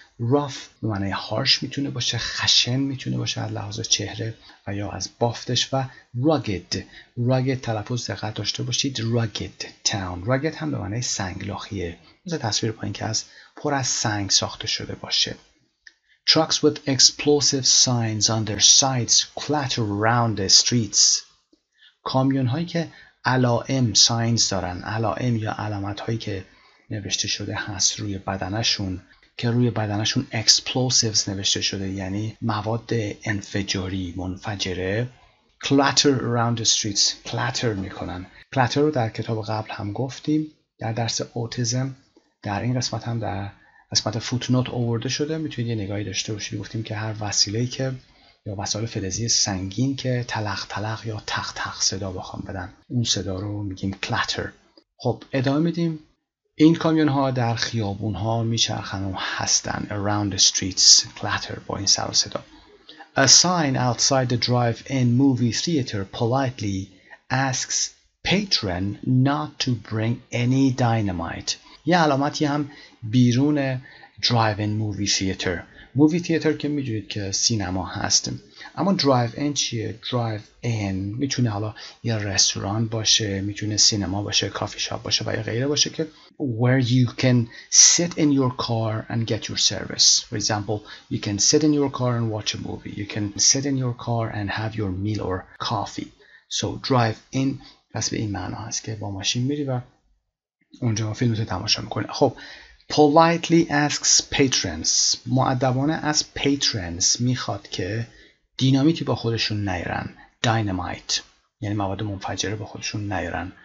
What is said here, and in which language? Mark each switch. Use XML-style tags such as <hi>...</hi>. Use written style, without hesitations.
<fa>Rough به معنی harsh میتونه باشه، خشن میتونه باشه از لحاظ چهره و یا از بافتش، و rugged. Rugged تلفظ دقت داشته باشید.</fa> <en>Rugged town.</en> <fa>Rugged هم به معنی سنگلاخیه. مثل تصویر پایین که از پر از سنگ ساخته شده باشه.</fa> <en>Trucks with explosive signs on their sides clatter around the streets.</en> <fa>کامیون هایی که علائم signs دارن، علائم یا علامت هایی که نوشته شده هست روی بدنشون، که روی بدنشون explosives نوشته شده یعنی مواد انفجاری، منفجره،</fa> <en>clatter around the streets،</en> <fa>clatter میکنن. clatter رو در کتاب قبل هم گفتیم در درس اوتیسم، در این قسمت هم در قسمت فوتنوت آورده شده. میتونید یه نگاهی داشته باشید. گفتیم که هر وسیله‌ای که یا وسایل فلزی سنگین که تلق تلق یا تق تق صدا بخوام بدن، اون صدا رو میگیم clatter. خب ادامه میدیم. این کامیون ها در خیابون ها میچرخن و هستن.</fa> <en>around the streets clatter</en> <fa>با این سر و صدا.</fa> <en>A sign outside the drive-in movie theater politely asks patron not to bring any dynamite.</en> <fa>یه علامتی هم بیرون drive-in movie theater. movie theater که میدونید که سینما هست. اما drive-in چیه؟ drive-in میتونه حالا یه رستوران باشه، میتونه سینما باشه، کافی شاپ باشه و یا غیره باشه که</fa> <en>where you can sit in your car and get your service. For example, you can sit in your car and watch a movie. You can sit in your car and have your meal or coffee.</en> <fa>So drive-in پس به این معنا هست که با ماشین میری و اونجا فیلم رو تماشا میکنه. خب</fa> <en>politely asks patrons،</en> <fa>مؤدبانه از patrons میخواد که دینامیتی با خودشون نیارن. dynamite یعنی مواد منفجره با خودشون نیارن.</fa>